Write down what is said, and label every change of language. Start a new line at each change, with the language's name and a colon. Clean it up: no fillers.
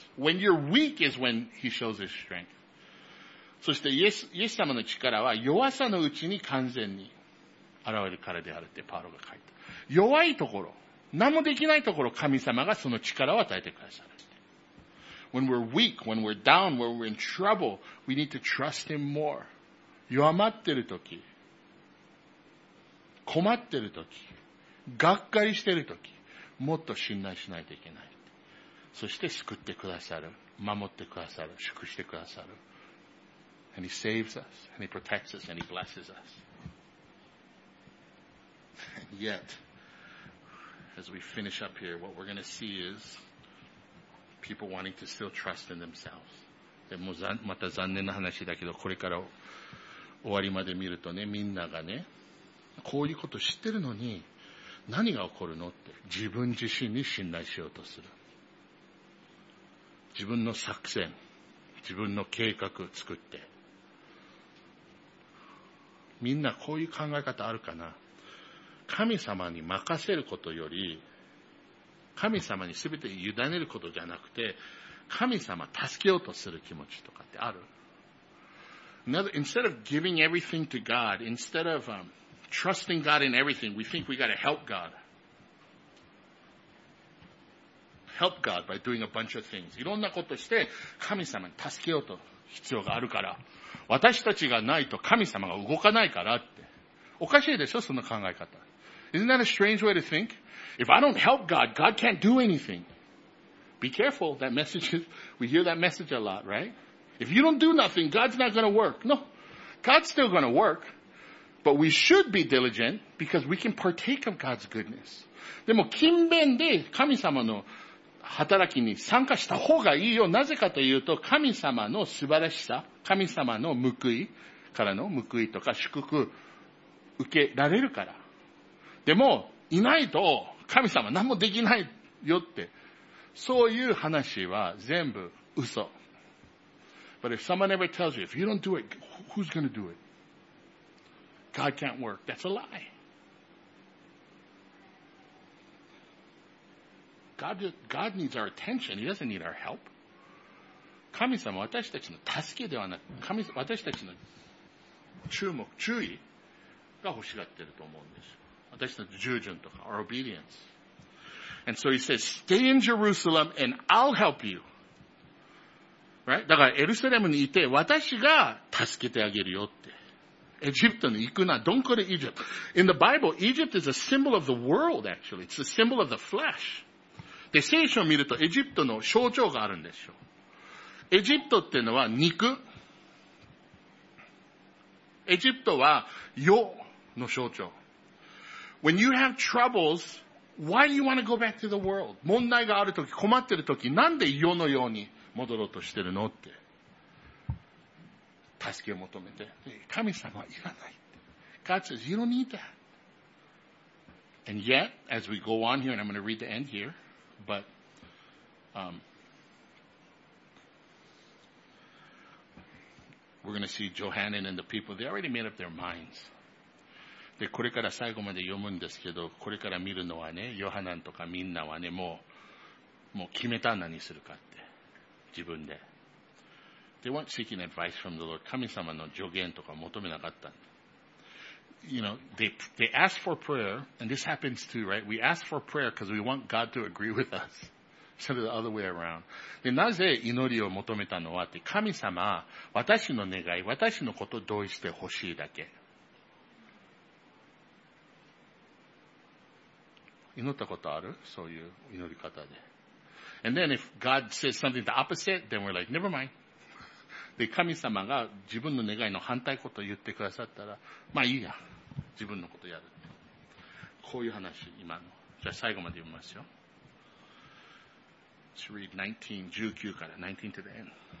English: When you're weak is when he shows his strength.
Japanese: そして、イエス様の力は弱さのうちに完全に現れるからであるって、パウロが書いた。弱いところ、何もできないところ、神様がその力を与えてくださる。
English: When we're weak, when we're down, when we're in trouble, we need to trust Him more.
Japanese: 弱まってるとき、困ってるとき、がっかりしてるとき、もっと信頼しないといけない。そして救ってくださる、守ってくださる、祝してくださる。
English: And he saves us, and he protects us, and he blesses us. And yet, as we finish up here, what we're going to see is people wanting to still trust in themselves.
Japanese: でもまた残念な話だけど、これから終わりまで見るとね、みんながね、こういうこと知ってるのに、何が起こるのって、自分自身に信頼しようとする。自分の作戦、自分の計画を作って、みんなこういう考え方あるかな。神様に任せることより、神様に全て委ねることじゃなくて、神様助けようとする気持ちとかってある？
English: Instead of giving everything to God, instead of trusting God in everything, we think we gotta help God. Help God by doing a bunch of things.
Japanese: いろんなことして神様に助けようと必要があるから。私たちがないと神様が動かないからって。おかしいでしょ、そんな考え方。
English: Isn't that a strange way to think? If I don't help God, God can't do anything. Be careful, that message is, we hear that message a lot, right? If you don't do nothing, God's not gonna work. No. God's still gonna work. But we should be diligent because we can partake of God's goodness.
Japanese: でも勤勉で神様の働きに参加した方がいいよ。なぜかというと、神様の素晴らしさ、神様の報いからの報いとか祝福受けられるから。でも、いないと神様何もできないよって。そういう話は全部嘘。
English: But if someone ever tells you, if you don't do it, who's gonna do it? God can't work. That's a lie. God needs our attention. He doesn't need our help.
Japanese: 神様は私たちの助けではなく、神様は私たちの注目、注意が欲しがっていると思うんです。私の従順とか、
English: our obedience. And so he says, stay in Jerusalem and I'll help you. Right?
Japanese: だからエルサレムにいて私が助けてあげるよって。エジプトに行くな。
English: Don't go to Egypt. In the Bible, Egypt is a symbol of the world, actually. It's a symbol of the flesh.
Japanese: で、聖書を見るとエジプトの象徴があるんですよ。エジプトっていうのは肉。エジプトは世の象徴。
English: When you have troubles, why do you want to go back to the world?
Japanese: 問題があるとき、困ってるとき、なんで世のように戻ろうとしてるのって。助けを求めて。神様はいらないって。
English: God says, you don't need that. And yet, as we go on here, and I'm going to read the end here,But, we're going to see Johanan and the people. They already made up their minds.
Japanese: で、これから最後まで読むんですけど、これから見るのはね、ヨハナンとかみんなはね、もう決めた何するかって、自分で。
English: They weren't seeking advice from the Lord.
Japanese: 神様の助言とか求めなかったんだ。
English: You know, they ask for prayer, and this happens too, right? We ask for prayer because we want God to agree with us. Instead of the other way around.
Japanese: で、なぜ祈りを求めたのはって、神様、私の願い、私のこと同意してほしいだけ。祈ったことある？そういう祈り方で。 And then if God says something the opposite, then we're like, never mind. で、神様が自分の願いの反対ことを言ってくださったら、まあいいや。自分のことやる。こういう話、今の。じゃあ最後まで読みますよ。
English: Let's read 19から19 to the end.